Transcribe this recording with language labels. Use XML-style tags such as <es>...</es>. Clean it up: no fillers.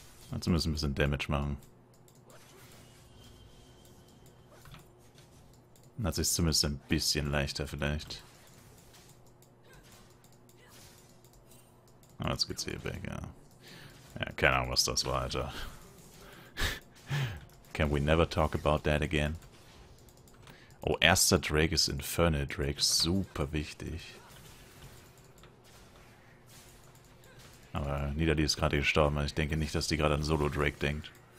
<de>Dazu müssen wir ein bisschen Damage machen. Dann hat sich zumindest ein bisschen leichter vielleicht. Aber jetzt geht's hier weg, ja. Ja, keine Ahnung, was das war, Alter.</de> <en>Can we never talk about that again?</en> <de>Oh, erster Drake ist Infernal Drake. Super wichtig. Aber Nidalee ist gerade gestorben. Ich denke nicht, dass die gerade an Solo Drake denkt.</de>